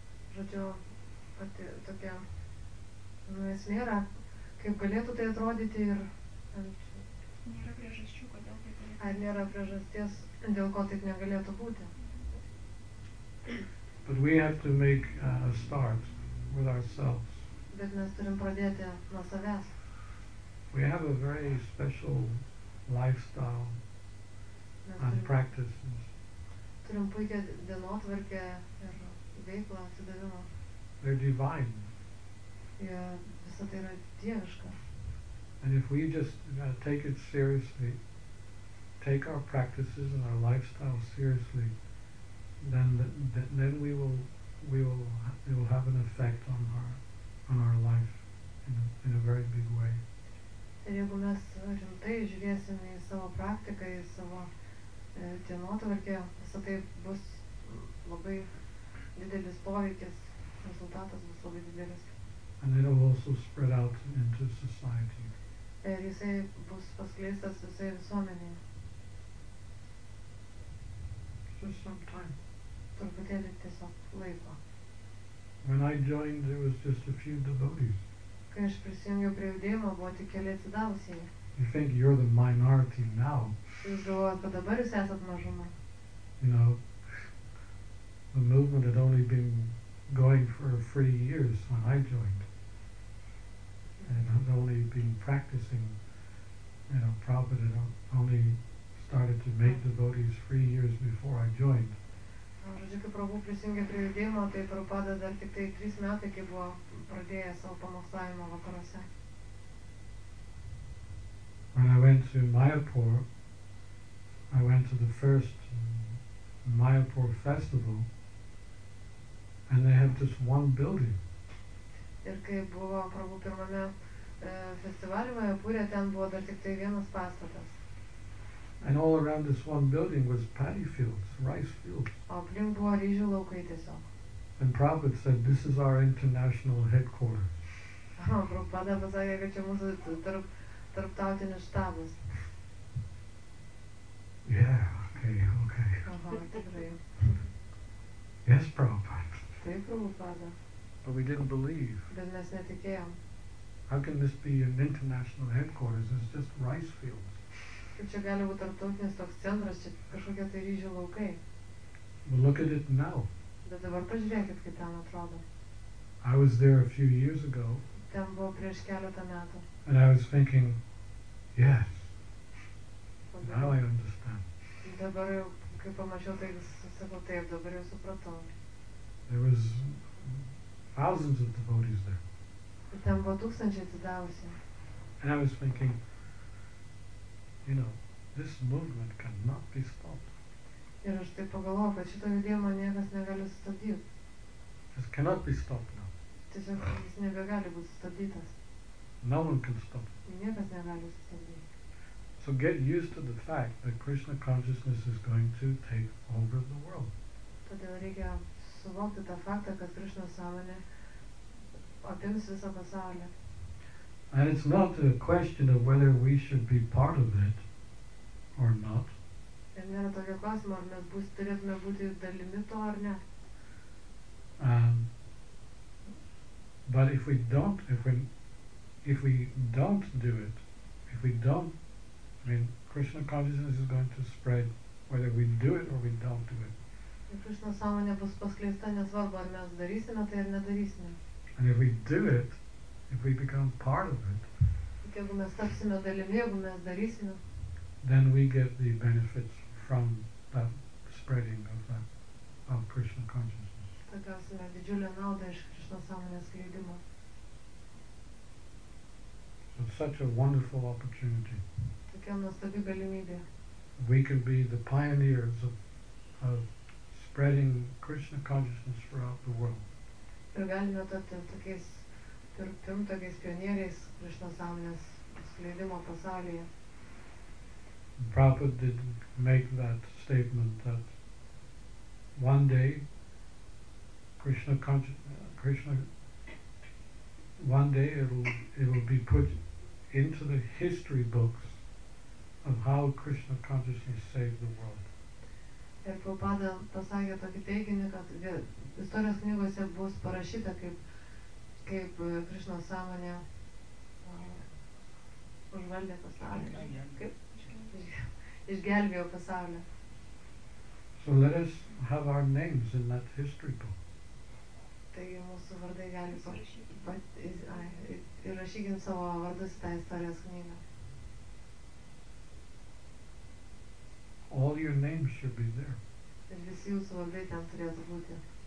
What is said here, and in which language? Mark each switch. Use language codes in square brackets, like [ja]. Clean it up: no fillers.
[lt] Žodžiu, pati tokia esmė yra, kaip galėtų tai atrodyti ir nėra priežasčių, kodėl tai galėtų būti. Ar nėra priežasties, dėl ko taip negalėtų būti? [en] But we have to make a start with ourselves. [lt] Bet mes turim pradėti nuo savęs. [en] We have a very special lifestyle and practices. [lt] Turim puikią dienotvarkę ir veiklą atsidavimą. [en] They're divine. [lt] Jie visą tai yra dieviška. [en] And if we just take it seriously, take our practices and our lifestyle seriously, then we will have an effect on our life in a very big way. [lt] Ir jeigu mes rimtai žiūrėsime į savo praktiką, į savo dienotvarkę, visą tai bus labai didelis poveikis, rezultatas bus labai didelis. [en] And it will also spread out into society. [lt] Ir jisai bus paskleistas visai visuomenėje. [en] Just some time. [lt] Truputėlį tiesiog laiko. [en] When I joined, there was just a few devotees. [lt] Kai aš prisijungiau prie judėjimo, buvo tik keli atsidavusieji. [en] You think you're the minority now. [lt] Jūs galvojat, kad dabar jūs esat mažuma. [en] You know, the movement had only been going for 3 years when I joined. And had only been practicing, you know, Prabhupada had only started to make devotees 3 years before I joined. [lt] Žodžiu, kai Prabhu prisijungė prie judėjimo, tai Prabhupada dar tik tai 3 metai, kai buvo pradėjęs savo pamokslavimą vakaruose. [en] When I went to Mayapur, I went to the first Mayapur festival, and they had just one building. [lt] Ir kai buvo Prabhu pirmame festivalyje Mayapūre, ten buvo dar tik tai vienas pastatas. [en] And all around this one building was paddy fields, rice fields. [lt] O aplink buvo ryžių laukai tiesiog. [en] And Prabhupada said, this is our international headquarters. [lt] O Prabhupada pasakė, kad čia mūsų tarptautinis štabas. [en] Yeah, okay. [lt] Aha, tikrai. [en] Yes, Prabhupada. [lt] Taip, Prabhupada. [en] But we didn't believe. [lt] Bet mes netikėjom. [en] How can this be an international headquarters? It's just rice fields. [lt] Kaip čia gali būti tarptautinis toks centras, čia kažkokie tai ryžių laukai. [en] But look at it now. [lt] Bet dabar pažiūrėkit, kaip ten atrodo. [en] I was there a few years ago. [lt] Ten buvo prieš keletą metų. [en] And I was thinking, yes, now I understand. [lt] Dabar jau, kai pamačiau, tai sakau taip, dabar jau supratau. [en] There was thousands of devotees there. [lt] Ten buvo tūkstančiai atsidavusių. [en] And I was thinking, you know, this movement cannot be stopped. [lt] Ir aš taip pagalvojau, kad šito judėjimo niekas negali sustabdyti. [en] It cannot be stopped now. [lt] Tiesiog jis nebegali būti sustabdytas. [en] No one can stop. [lt] Niekas negali sustabdyti. [en] So get used to the fact that Krishna consciousness is going to take over the world. [lt] Todėl reikia suvokti tą faktą, kad Krishna sąmonė apims visą pasaulį. [en] And it's not a question of whether we should be part of it or not. [lt] Ir nėra tokio klausimo, ar mes turėtume būti dalimi to ar ne. [en] But if we don't do it, Krishna consciousness is going to spread whether we do it or we don't do it. [lt] Ir Krishna sąmonė bus paskleista, nesvarbu, ar mes darysime tai ar nedarysime. [en] And if we do it, if we become part of it, [lt] jeigu mes tapsime dalimi, jeigu mes darysime, [en] then we get the benefits from that spreading of that of Krishna consciousness. [lt] Tai gausime didžiulę naudą iš Krishna sąmonės skleidimo. [en] So such a wonderful opportunity. [lt] Tokia nuostabi galimybė. [en] We could be the pioneers of spreading Krishna consciousness throughout the world. [lt] Ir galime tapti tokiais pirmtokiais pionieriais Krishna sąmonės skleidimo pasaulyje. [en] Prabhupada did make that statement that one day it will be put into the history books of how Krishna consciousness saved the world. [lt] Ir Prabhupada pasakė tokį teiginį, kad istorijos knygose bus parašyta, kaip Krishna sąmonė užvaldė pasaulį. Kaip išgelbėjo pasaulį. [en] So let us have our names in that history book. [lt] Taigi mūsų vardai gali įrašykim savo vardus į tą istorijos knygą. [en] All your names should be there. [lt] Ir visi jūsų vardai ten turėtų būti.